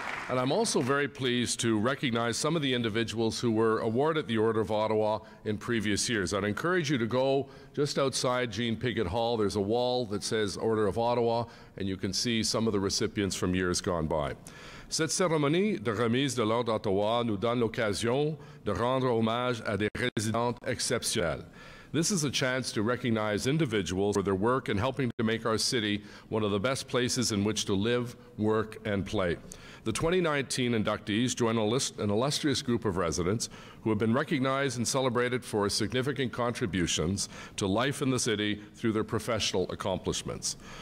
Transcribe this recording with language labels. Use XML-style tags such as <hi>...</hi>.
<en>And I'm also very pleased to recognize some of the individuals who were awarded the Order of Ottawa in previous years. I'd encourage you to go just outside Jean Pigott Hall. There's a wall that says Order of Ottawa, and you can see some of the recipients from years gone by.</en> <fr>Cette cérémonie de remise de l'Ordre d'Ottawa nous donne l'occasion de rendre hommage à des résidents exceptionnels.</fr> <en>This is a chance to recognize individuals for their work in helping to make our city one of the best places in which to live, work, and play. The 2019 inductees join an illustrious group of residents who have been recognized and celebrated for significant contributions to life in the city through their professional accomplishments.</en>